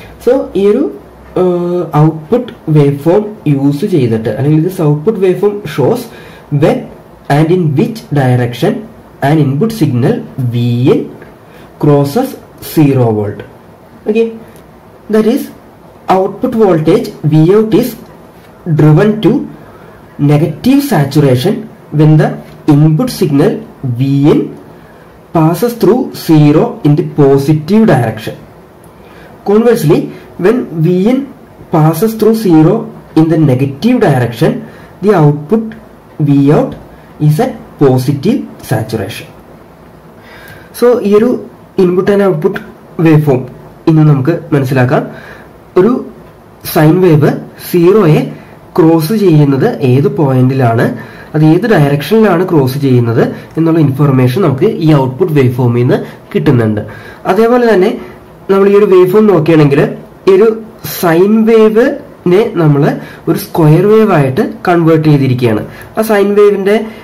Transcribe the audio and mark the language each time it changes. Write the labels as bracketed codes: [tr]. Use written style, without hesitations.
[en] so [ml] ഈ ഒരു output waveform use ചെയ്തിട്ട് അല്ലെങ്കിൽ [en] This output waveform shows when and in which direction and input signal V in crosses zero volt. Okay, that is output voltage V out is driven to negative saturation when the input signal Vin passes through zero in the positive direction. Conversely, when Vin passes through zero in the negative direction, the output Vout is at positive saturation. So, here input and output waveform. [ml] ഇന്ന് നമുക്ക് മനസ്സിലാക്കാം ഒരു sine wave സീറോയെ cross ചെയ്യുന്നത് ഏത് പോയിന്റിലാണ് അത് ഏത് ഡയറക്ഷനിലാണ് cross ചെയ്യുന്നത് എന്നുള്ള ഇൻഫർമേഷൻ നമുക്ക് ഈ ഔട്ട്പുട്ട് വേവ്ഫോമിൽ നിന്ന് കിട്ടുന്നുണ്ട് അതേപോലെ തന്നെ നമ്മൾ ഈ ഒരു വേവ്ഫോം നോക്കുകയാണെങ്കിൽ ഈ ഒരു സൈൻ വേവിനെ നമ്മൾ ഒരു സ്ക്വയർ വേവ് ആയിട്ട് കൺവേർട്ട് ചെയ്തിരിക്കുകയാണ് ആ സൈൻ വേവിന്റെ